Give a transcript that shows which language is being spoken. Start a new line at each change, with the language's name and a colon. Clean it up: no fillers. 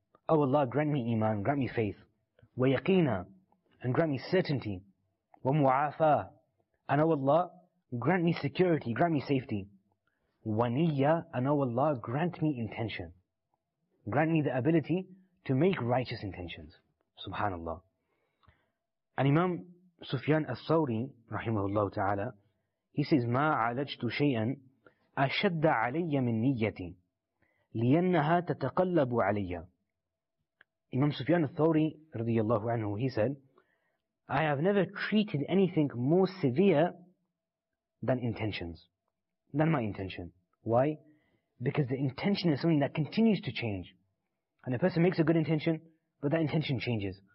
English: Oh Allah, grant me iman, grant me faith.
Arabic: Wa yaqina,
English: and grant me certainty.
Arabic: Wa mu'afa,
English: and oh Allah, grant me security, grant me safety. Waniyya, and oh Allah, grant me intention. Grant me the ability to make righteous intentions. Subhanallah. And Imam Sufyan al-Thawri, rahimahullah ta'ala, he says,
Arabic: ما عالجت شيئا أشد علي من نيتي لأنها تتقلب علي.
English: Imam Sufyan al-Thawri, radiyallahu anhu, he said, I have never treated anything more severe than intentions, than my intention. Why? Because the intention is something that continues to change. And a person makes a good intention, but that intention changes.